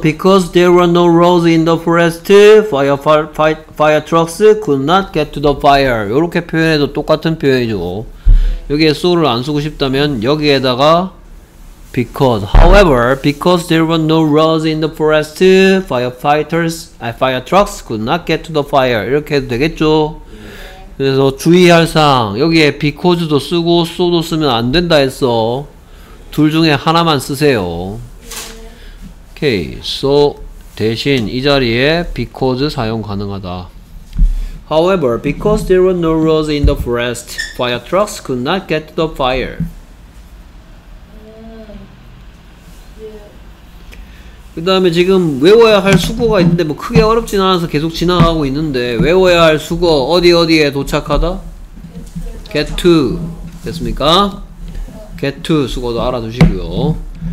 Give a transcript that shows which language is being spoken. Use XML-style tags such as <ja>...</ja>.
<en>Because there were no roads in the forest, fire trucks could not get to the fire.</en> <ko>요렇게 표현해도 똑같은 표현이죠. 여기에 so를 안 쓰고 싶다면 여기에다가</ko> <en>However, because there were no roads in the forest, fire trucks could not get to the fire.</en> <ko>이렇게 해도 되겠죠? 그래서 주의할 사항. 여기에 because도 쓰고 so도 쓰면 안 된다 했어. 둘 중에 하나만 쓰세요. Okay, so 대신 이 자리에 because 사용 가능하다.</ko> <en>However, because there were no roads in the forest, fire trucks could not get to the fire.</en> <ko>그 다음에 지금 외워야 할 수거가 있는데 뭐 크게 어렵진 않아서 계속 지나가고 있는데 외워야 할 수거 어디에 도착하다? get to 됐습니까? get to 수거도 알아두시고요.</ko>